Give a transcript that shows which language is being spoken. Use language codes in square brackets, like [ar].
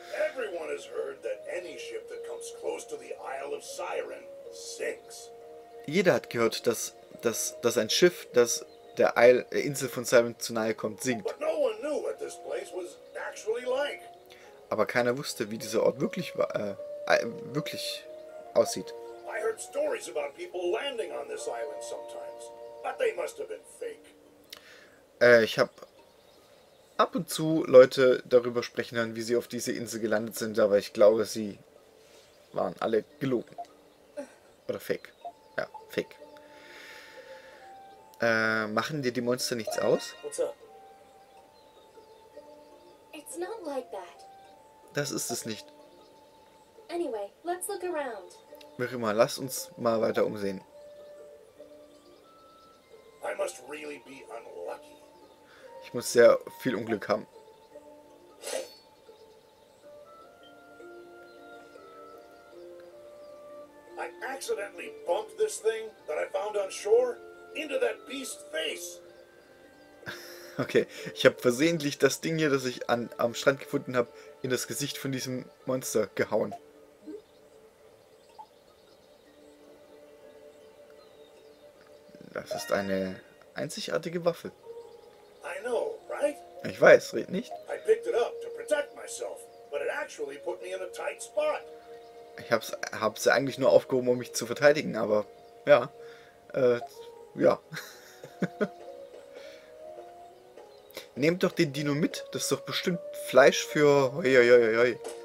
[en] Everyone has heard that any ship that comes close to the Isle of Siren sinks. [de] Jeder hat gehört, dass ein Schiff, das der Insel von Siren zu nahe kommt, sinkt. [en] But no one knew what this place was actually like. [de] Aber keiner wusste, wie dieser Ort wirklich war, wirklich aussieht. [en] I heard stories about people landing on this island sometimes, but they must have been fake. [de] Ich habe ab und zu Leute darüber sprechen hören, wie sie auf diese Insel gelandet sind, aber ich glaube, sie waren alle gelogen. Oder fake. Ja, fake. Machen dir die Monster nichts aus? [en] It's not like that. [de] Das ist es nicht. [en] Anyway, let's look around. [de] Mirima, lass uns mal weiter umsehen. [en] I must really be unlucky. [de] Ich muss sehr viel Unglück haben. [en] I accidentally bumped this thing that I found on shore into that beast's face. [de] Okay, ich habe versehentlich das Ding hier, das ich am Strand gefunden habe, in das Gesicht von diesem Monster gehauen. Das ist eine einzigartige Waffe. [en] I know, right? [de] Ich weiß, red nicht. [en] I picked it up to protect myself, but it actually put me in a tight spot. [de] Ich hab's ja eigentlich nur aufgehoben, um mich zu verteidigen, aber ja. Ja. Nehmt doch den Dino mit, das ist doch bestimmt Fleisch für oi.